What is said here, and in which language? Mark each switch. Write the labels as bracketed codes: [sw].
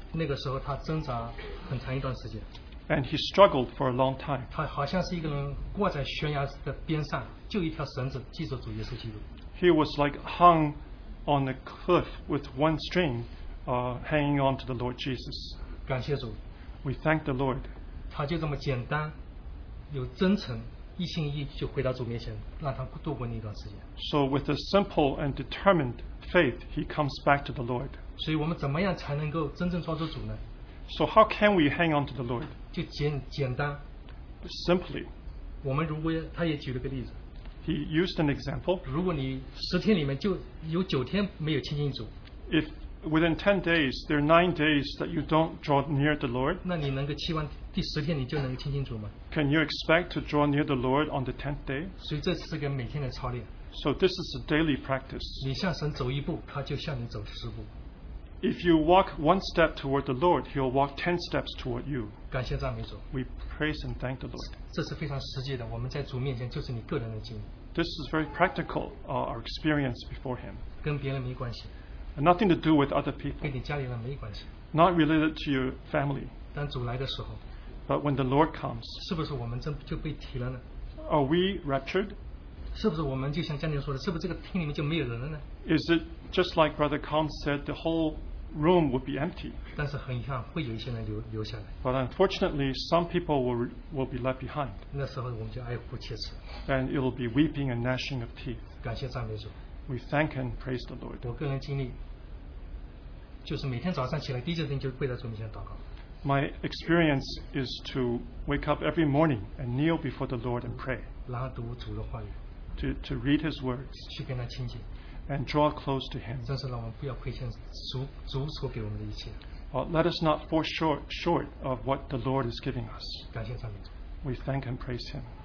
[en] And he struggled for a long time. He was like hung on a cliff with one string hanging on to the Lord Jesus. [zh] 感谢主。 [en] We thank the Lord. [zh] 他就这么简单，有真诚，一心一意就回到主面前，让他度过那段时间。 [en] So with a simple and determined faith, he comes back to the Lord. [zh] 所以我们怎么样才能够真正抓住主呢？ [en] So how can we hang on to the Lord? [zh] 就简单。 [en] Simply. [zh] 我们如果他也举了个例子。 [en] He used an example. [zh] 如果你十天里面就有九天没有亲近主。 [en] If within 10 days, there are 9 days that you don't draw near the Lord. [zh] 那你能够期望第十天你就能亲近主吗？ [en] Can you expect to draw near the Lord on the 10th day? [zh] 所以这是个每天的操练。 [en] So this is a daily practice. [zh] 你向神走一步，他就向你走十步。 [en] If you walk one step toward the Lord, He'll walk 10 steps toward you. We praise and thank the Lord. [zh] 这是非常实际的，我们在主面前就是你个人的经历。 [en] This is very practical, our experience before Him. [zh] 跟别人没关系。 [en] Nothing to do with other people. [zh] 跟你家里人没关系。 [en] Not related to your family. [zh] 当主来的时候。 [en] But when the Lord comes. [zh] 是不是我们就被提了呢？ [en] Are we raptured? [zh] 是不是我们就像将军说的，是不是这个厅里面就没有人了呢？ [en] Is it just like Brother Kong said, the whole room would be empty? [zh] 但是很遗憾，会有一些人留下来。 [en] But unfortunately, some people will be left behind. [zh] 那时候我们就哀哭切齿。 [en] And it will be weeping and gnashing of teeth. [zh] 感谢赞美主。 [en] We thank and praise the Lord. [zh] 我个人经历，就是每天早上起来第一件事就跪在主面前祷告。 [en] My experience is to wake up every morning and kneel before the Lord and pray. [zh] 然后读主的话语。 [en] To read his words [zh] 去跟他亲近, [en] and draw close to him. [zh] 真是让我们不要亏欠主所给我们的一切。 [en] Let us not fall short of what the Lord is giving us. [zh] 感谢赞美主。 [en] We thank and praise him.